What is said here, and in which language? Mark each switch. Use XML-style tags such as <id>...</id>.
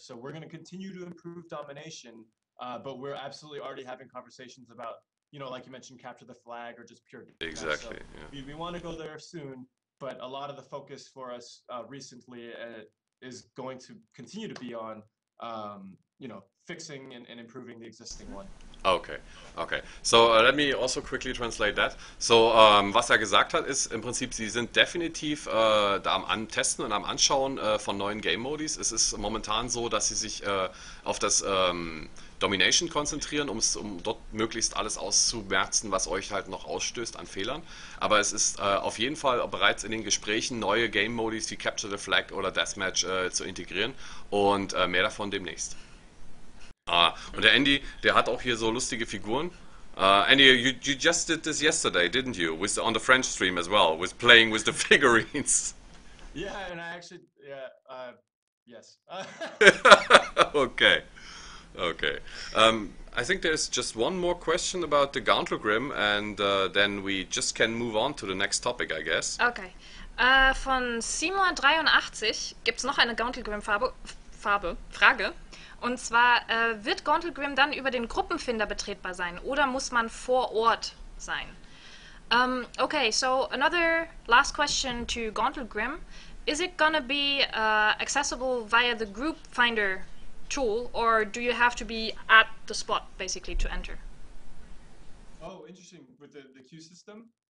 <en>So we're going to continue to improve domination, but we're absolutely already having conversations about, you know, like you mentioned, capture the flag or just pure defense. Exactly. So yeah. We want to go there soon. But a lot of the focus for us recently is going to continue to be on, you know, fixing and improving the existing one. Okay. So let me also quickly translate that.</en> <de>So was er gesagt hat, ist im Prinzip, sie sind definitiv da am Antesten und am Anschauen von neuen Game-Modis. Es ist momentan so, dass sie sich auf das... Domination konzentrieren, um dort möglichst alles auszumerzen, was euch halt noch ausstößt an Fehlern. Aber es ist auf jeden Fall bereits in den Gesprächen, neue Game-Modis wie Capture the Flag oder Deathmatch zu integrieren und mehr davon demnächst. Ah, und der Andy, der hat auch hier so lustige Figuren.</de> <en>Andy, you just did this yesterday, didn't you? On the French stream as well, with playing with the figurines. Yeah, and I actually, yeah, yes. Okay. Okay. I think there's just one more question about the Gauntlegrim, and then we just can move on to the next topic, I guess. Okay.</en> <de>Von Simon 83 gibt es noch eine Gauntlegrim-Frage. Und zwar, wird Gauntlegrim dann über den Gruppenfinder betretbar sein oder muss man vor Ort sein?</de> <en>Okay, so another last question to Gauntlegrim. Is it gonna be accessible via the group finder tool, or do you have to be at the spot basically to enter? Oh, interesting, with the queue system.</en>